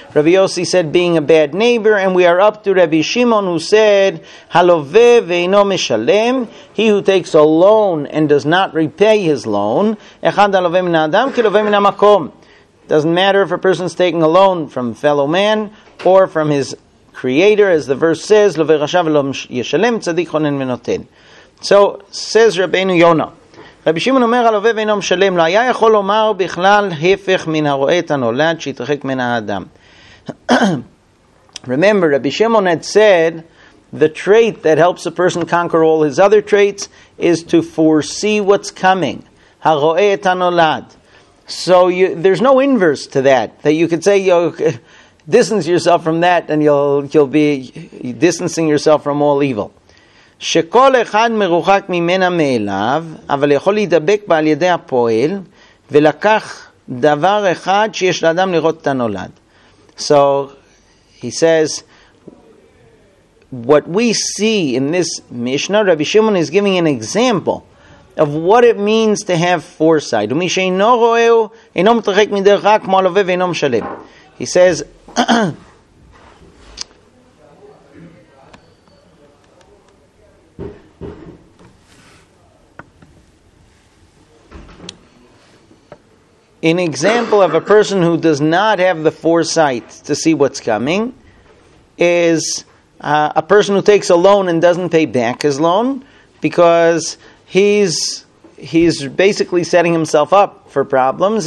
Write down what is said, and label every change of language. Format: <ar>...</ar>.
<en>Rabbi Yossi said being a bad neighbor. And we are up to Rabbi Shimon, who said,</en> <he>Halove ve'ino mishalem,</he> <en>he who takes a loan and does not repay his loan.</en> <he>Echad halove min adam ki halove min hamakom.</he> <en>Doesn't matter if a person's taking a loan from fellow man or from his creator, as the verse says,</en> <he>Lo ve'rasha ve'lo yishalem, tzadik chonen menoten.</he> <en>So says Rabbeinu Yonah,</en> <he>רבי שמעון אומר על הווה ואינו משלם, לא היה יכול לומר בכלל הפך מן הרואה את הנולד שהתרחק מן האדם.</he> <en>Remember, רבי שמעון had said, the trait that helps a person conquer all his other traits is to foresee what's coming.</en> <he>הרואה את הנולד.</he> <en>So there's no inverse to that. That you could say, distance yourself from that and you'll be distancing yourself from all evil.</en> <he>שכל אחד מרוחק ממנה מאליו, אבל יכול להידבק בה על ידי הפועל, ולקח דבר אחד שיש לאדם לראות את הנולד.</he> <en>So, he says, what we see in this Mishnah, Rabbi Shimon is giving an example of what it means to have foresight.</en> <he>ומי שאינו רואהו, אינו מתרחק מדרך רע כמו הלווה ואינו משלם.</he> <en>He says, an example of a person who does not have the foresight to see what's coming is a person who takes a loan and doesn't pay back his loan because he's basically setting himself up for problems.</en>